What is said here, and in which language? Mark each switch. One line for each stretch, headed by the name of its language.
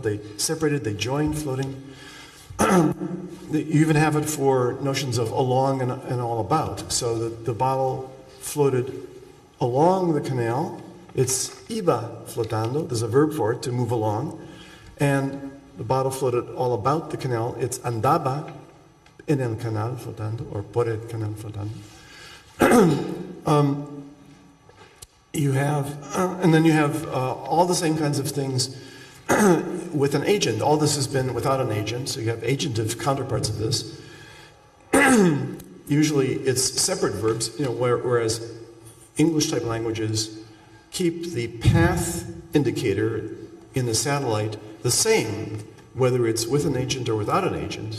English: They separated, they joined floating. You even have it for notions of along and all about. So the bottle floated along the canal. It's
Spanish: iba flotando,
English: there's a verb for it, to move along. And the bottle floated all about the canal.
Spanish: It's andaba en el canal flotando, or por el canal flotando.
English: you have all the same kinds of things with an agent. All this has been without an agent, so you have agentive counterparts of this. Usually it's separate verbs, you know, whereas English type languages keep the path indicator in the satellite the same, whether it's with an agent or without an agent.